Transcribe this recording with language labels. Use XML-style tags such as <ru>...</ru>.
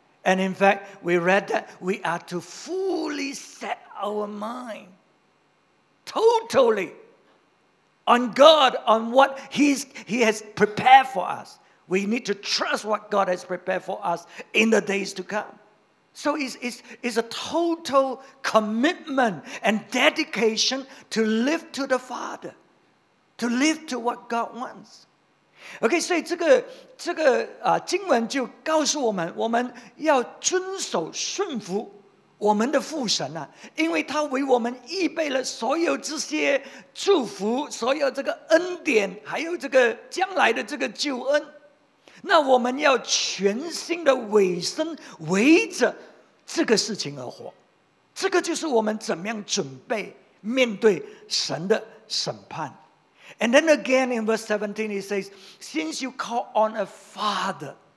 <en>And in fact, we read that we are to fully set our mind totally on God, on what He has prepared for us. We need to trust what God has prepared for us in the days to come. So it's a total commitment and dedication to live to the Father. To live to what God wants. Okay, so this</en> <zh>经文就告诉我们，我们要遵守顺服我们的父神啊，因为他为我们预备了所有这些祝福，所有这个恩典，还有这个将来的这个救恩。那我们要全心的委身，围着这个事情而活。这个就是我们怎么样准备面对神的审判。</zh> <en>And then again in verse 17, he says, since you call on a father.</en>